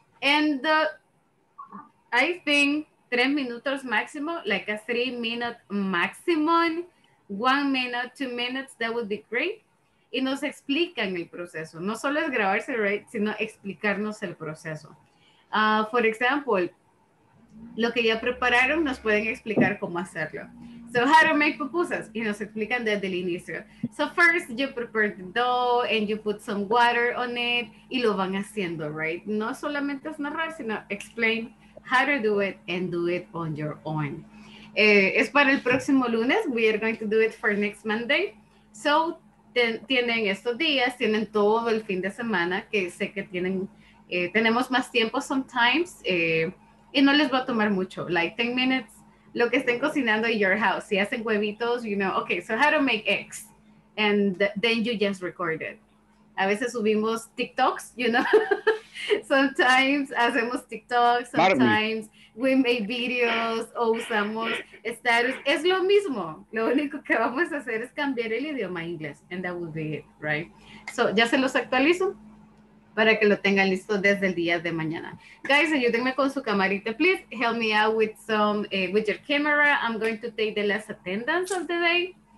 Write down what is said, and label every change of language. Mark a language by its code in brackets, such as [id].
[en] And I think 3 minutes máximo, like a 3 minute maximum, 1 minute, 2 minutes, that would be great. [es] Y nos explican el proceso. No solo es grabarse, right, sino explicarnos el proceso. [en] For example, [es] lo que ya prepararon, nos pueden explicar cómo hacerlo. [en] So how to make [es] pupusas, y nos explican desde el inicio. [en] So first you prepare the dough and you put some water on it, [es] y lo van haciendo, [en] right? [es] No solamente es narrar, sino [en] explain how to do it and do it on your own. [es] Es para el próximo lunes. [en] We are going to do it for next Monday. [es] So, tienen estos días, tienen todo el fin de semana, que sé que tienen, tenemos más tiempo sometimes, y no les va a tomar mucho, [en] like 10 minutes, [es] lo que estén cocinando [en] in your house. [es] Si hacen huevitos, [en] you know, okay, so how to make eggs. And then you just record it. [es] A veces subimos TikToks, you know. Sometimes hacemos TikToks, [en] sometimes we make videos [es] o usamos status. Es lo mismo. Lo único que vamos a hacer es cambiar el idioma inglés, [en] and that would be it, right? [es] So, ya se los actualizo para que lo tengan listo desde el día de mañana. Guys, ayúdenme con su camarita, please. [en] Help me out with some with your camera. I'm going to take the last attendance of the day.